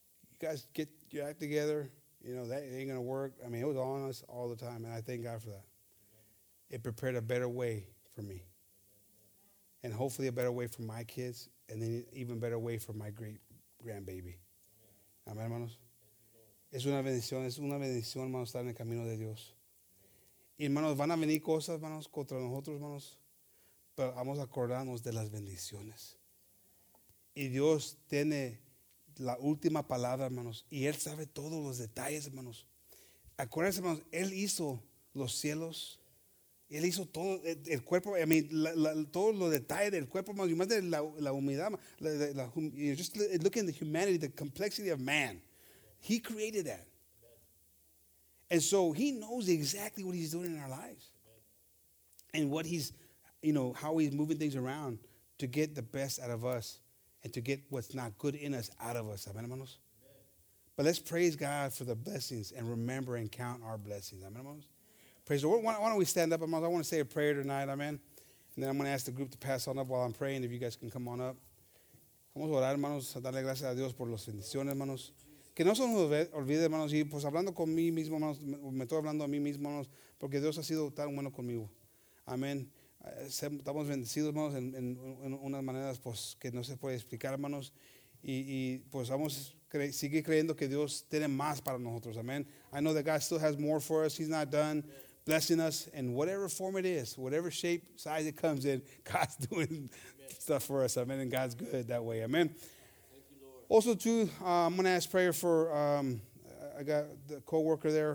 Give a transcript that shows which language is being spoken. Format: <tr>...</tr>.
<en>You guys get your act together, you know, that ain't gonna work. I mean, it was on us all the time, and I thank God for that. It prepared a better way for me, and hopefully a better way for my kids, and then even better way for my great grandbaby. Amen, hermanos.</en> <es>Es una bendición, hermanos, estar en el camino de Dios. Y hermanos, van a venir cosas, hermanos, contra nosotros, hermanos, pero vamos a acordarnos de las bendiciones. Y Dios tiene la última palabra, hermanos, y Él sabe todos los detalles, hermanos. Acuérdense, hermanos, Él hizo los cielos, Él hizo todo el cuerpo,</es> <en>I mean,</en> <es>todos los detalles del cuerpo, hermanos, y más de la humildad,</es> <en>just look at the humanity, the complexity of man. He created that. And so he knows exactly what he's doing in our lives. And what he's, you know, how he's moving things around to get the best out of us and to get what's not good in us out of us. Amen, hermanos? Amen. But let's praise God for the blessings and remember and count our blessings. Amen, hermanos? Praise the Lord. Why don't we stand up, hermanos? I want to say a prayer tonight. Amen. And then I'm going to ask the group to pass on up while I'm praying. If you guys can come on up.</en> <es>Vamos a orar, hermanos, a darle gracias a Dios por las bendiciones, hermanos. Que no se nos olvide, hermanos, y pues hablando con mí mismo, hermanos, me estoy hablando a mí mismo, hermanos, porque Dios ha sido tan bueno conmigo. Amén. Estamos bendecidos, hermanos, en unas maneras pues, que no se puede explicar, hermanos. Y pues vamos a seguir creyendo que Dios tiene más para nosotros. Amén.</es> <en>I know that God still has more for us. He's not done blessing us in whatever form it is, whatever shape, size it comes in. God's doing stuff for us. Amén. And God's good that way. Amén. Also, too, I'm going to ask prayer for, I got the co-worker there.</en>